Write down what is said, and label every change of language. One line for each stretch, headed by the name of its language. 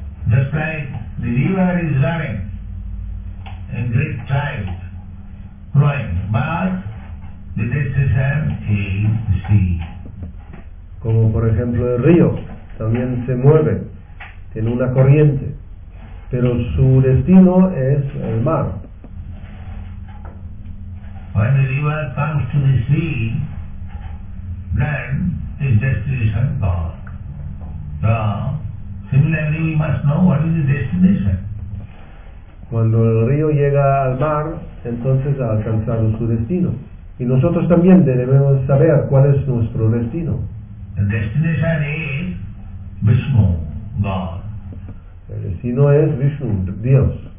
English: Just like the river is running in great tide, flowing, but the destination is the sea.
Spanish: Como por ejemplo el río, también se mueve, tiene una corriente, pero su destino es el mar.
English: When the river comes to the sea, then its destination is God. So, similarly, we must know what is the destination.
Spanish: Cuando el río llega al mar, entonces ha alcanzado su destino. Y nosotros también debemos saber cuál es nuestro destino.
English: The destination is Vishnu, God.
Spanish: El destino es Vishnu, Dios.